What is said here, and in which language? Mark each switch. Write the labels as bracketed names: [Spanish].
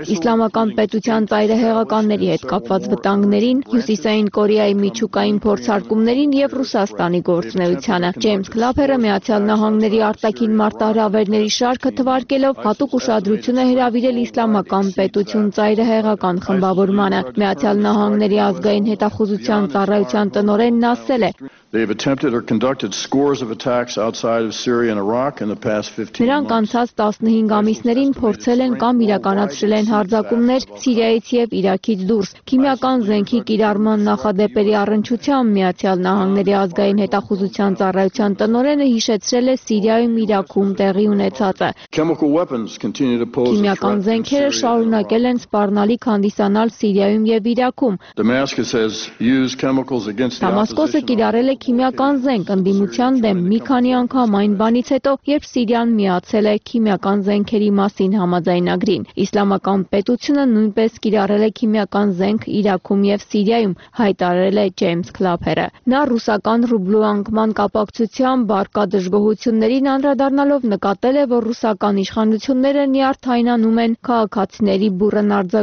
[Armenian] Իսլամական պետության ծայրահեղականների հետ կապված վտանգներին, Հյուսիսային Կորեայի միջուկային փորձարկումներին և Ռուսաստանի գործունեությանը։ Ջեյմս Քլափերը Միացյալ Նահանգների արտաքին մարտահրավերների շարքը թվարկելով հատուկ ուշադրություն է հրավիրել Իսլամական պետություն ծայրահեղական խմբավորմանը։ Միացյալ Նահանգների ազգային հետախուզության ծառայության տնօրենն ասել է. [English] They have attempted or conducted scores of attacks outside of Syria and Iraq in the past 15 months. [Armenian] Նրանք անցած 15 ամիսներին փորձել են կամ իրականացրել են հարձակումներ Սիրիայից և Իրաքից դուրս։ Քիմիական զենքի կիրառման նախադեպերի առնչությամբ Միացյալ Նահանգների ազգային հետախուզության ծառայության տնօրենը հիշեցրել է Սիրիայում Իրաքում տեղի ունեցածը։ [English] Chemical weapons continue to pose a threat. [Armenian] Քիմիական զենքերը շարունակել են սպառնալիք հանդիսանալ Սիրիայում և Իրաքում։ [English] Damascus has used chemicals against the opposition. [Armenian] Է քիմիական զենք ընդդիմության դեմ մի քանի անգամ այն բանից հետո, երբ Սիրիան միացել է քիմիական զենքերի մասին համաձայնագրին։ Իսլամական պետությունը նույնպես կիրառել է քիմիական զենք Իրաքում և Սիրիայում, հայտարարել է Ջեյմս Քլափերը։ Նա ռուսական ռուբլու անկման կապակցությամբ բարկա դժգոհություններին անդրադառնալով նկատել է, որ ռուսական իշխանությունները նյարդայնանում են քաղաքացիների բուրըն